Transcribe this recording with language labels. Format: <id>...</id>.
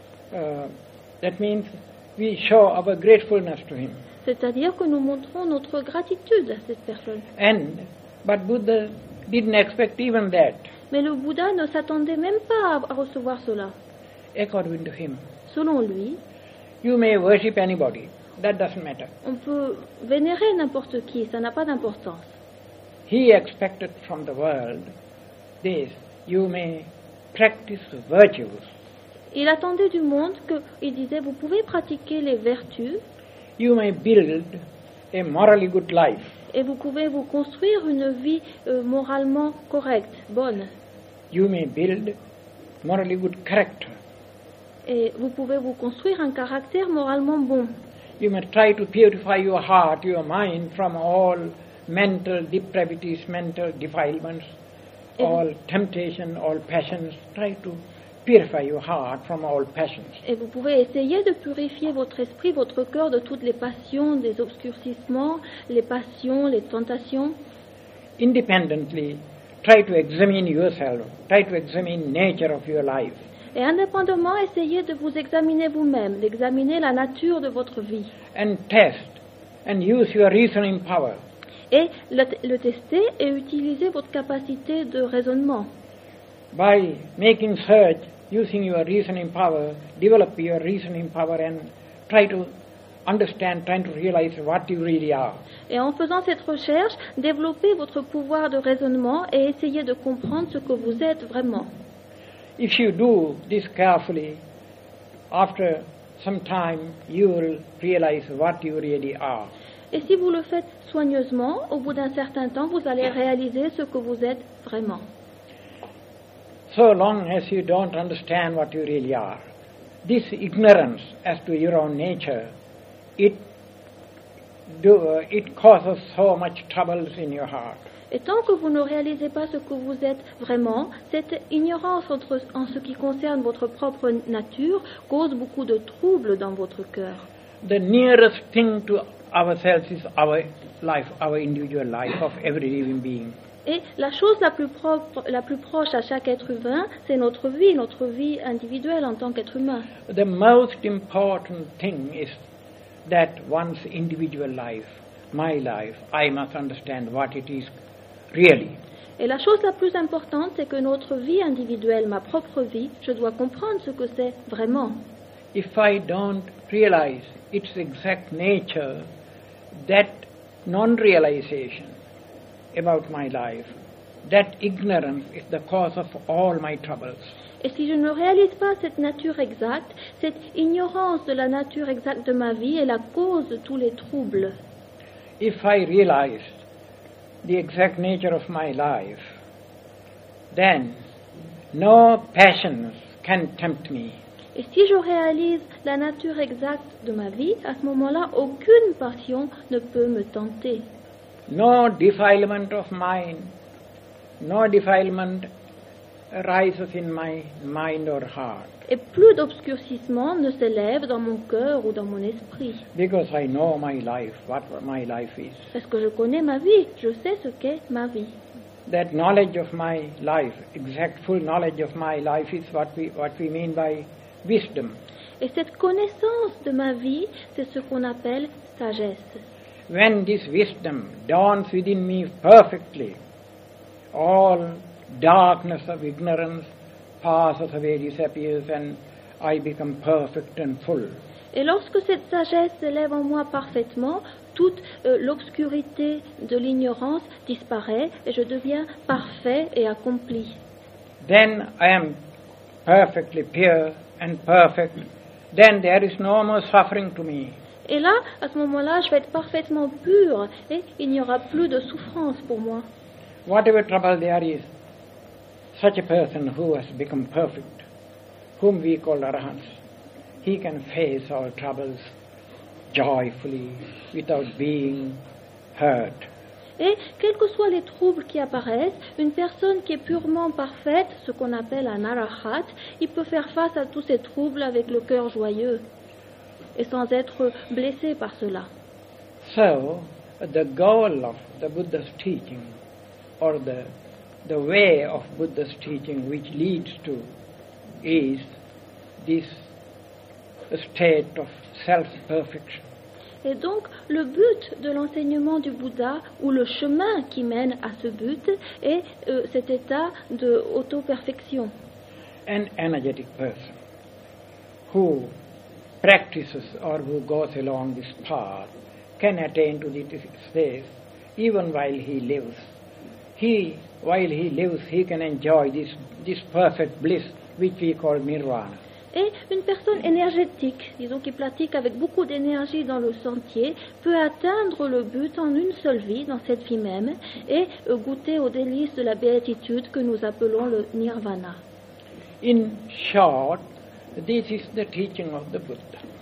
<en>That means we show our gratefulness to him.</en> <fr>C'est-à-dire que nous montrons notre gratitude à cette personne.</fr> <en>And, but Buddha didn't expect even that.</en> <fr>Mais le Bouddha ne s'attendait même pas à recevoir cela.</fr> <en>According to him.</en> <fr>Selon lui,</fr> <en>you may worship anybody. That doesn't matter.</en> <fr>On peut vénérer n'importe qui, ça n'a pas d'importance.</fr> <en>He expected from the world this. You may practice virtues.</en> <fr>Il attendait du monde qu'il disait, vous pouvez pratiquer les vertus.</fr> <en>You may build a morally good life.</en> <fr>Et vous pouvez vous construire une vie moralement correcte, bonne.</fr> <en>You may build morally good character.</en> <fr>Et vous pouvez vous construire un caractère moralement bon.</fr> <en>You may try to purify your heart, your mind from all mental depravities, mental defilements, all temptation, all passions. Try to purify your heart from all passions.</en> <fr>Et vous pouvez essayer de purifier votre esprit, votre cœur de toutes les passions, des obscurcissements, les passions, les tentations.</fr> <en>Independently, try to examine yourself. Try to examine nature of your life.</en> <fr>Et indépendamment, essayez de vous examiner vous-même, d'examiner la nature de votre vie.</fr> <en>And test and use your reasoning power.</en> <fr>Et le tester et utiliser votre capacité de raisonnement.</fr> <en>By making search, using your reasoning power, develop your reasoning power and try to understand, try to realize what you really are.</en> <fr>Et en faisant cette recherche, développez votre pouvoir de raisonnement et essayez de comprendre ce que vous êtes vraiment.</fr> <en>If you do this carefully, after some time, you will realize what you really are.</en> <fr>Et si vous le faites soigneusement, au bout d'un certain temps, vous allez réaliser ce que vous êtes vraiment.</fr> <en>So long as you don't understand what you really are, this ignorance as to your own nature, it causes so much troubles in your heart.</en> <fr>Et tant que vous ne réalisez pas ce que vous êtes vraiment, cette ignorance en ce qui concerne votre propre nature cause beaucoup de troubles dans votre cœur.</fr> <en>The nearest thing to ourselves is our life, our individual life of every living being.</en> <fr>Et la chose la plus proche à chaque être humain, c'est notre vie individuelle en tant qu'être humain.</fr> <en>The most important thing is that one's individual life, my life, I must understand what it is. Really.</en> <fr>Et la chose la plus importante, c'est que notre vie individuelle, ma propre vie, je dois comprendre ce que c'est vraiment.</fr> <en>If I don't realize its exact nature, that non-realization about my life, that ignorance is the cause of all my troubles.</en> <fr>Et si je ne réalise pas cette nature exacte, cette ignorance de la nature exacte de ma vie est la cause de tous les troubles.</fr> <en>If I realize the exact nature of my life, then no passions can tempt me.</en> <fr>Et si je réalise la nature exacte de ma vie, à ce moment-là, aucune passion ne peut me tenter.</fr> <en>No defilement of mine, no defilement arises in my mind or heart.</en> <fr>Et plus d'obscurcissement ne s'élève dans mon cœur ou dans mon esprit.</fr> <en>Because I know my life, what my life is.</en> <fr>Parce que je connais ma vie, je sais ce qu'est ma vie.</fr> <en>That knowledge of my life, exact full knowledge of my life is what we mean by wisdom.</en> <fr>Et cette connaissance de ma vie, c'est ce qu'on appelle sagesse.</fr> <en>When this wisdom dawns within me perfectly, all darkness of ignorance passes away, disappears, and I become perfect and full.</en> <fr>Et lorsque cette sagesse s'élève en moi parfaitement, toute l'obscurité de l'ignorance disparaît et je deviens parfait et accompli.</fr> <en>Then I am perfectly pure and perfect. Then there is no more suffering to me.</en> <fr>Et là, à ce moment-là, je vais être parfaitement pur et il n'y aura plus de souffrance pour moi.</fr> <en>Whatever trouble there is, such a person who has become perfect, whom we call arahants, he can face all troubles joyfully, without being hurt.</en> <fr>Et quels que soient les troubles qui apparaissent, une personne qui est purement parfaite, ce qu'on appelle un arahat, il peut faire face à tous ces troubles avec le cœur joyeux et sans être blessé par cela.</fr> <en>So, the goal of the Buddha's teaching, or the way of Buddha's teaching which leads to, is this state of self-perfection.</en> <fr>Et donc, le but de l'enseignement du Bouddha, ou le chemin qui mène à ce but, est cet état d'auto-perfection.</fr> <en>An energetic person who practices or who goes along this path can attain to this state even while he lives. While he lives, he can enjoy this perfect bliss which we call nirvana.</en> <fr>Et une personne énergétique, disons qui pratique avec beaucoup d'énergie dans le sentier, peut atteindre le but en une seule vie, dans cette vie même, et goûter aux délices de la béatitude que nous appelons le nirvana.</fr> <en>In short, this is the teaching of the Buddha.</en>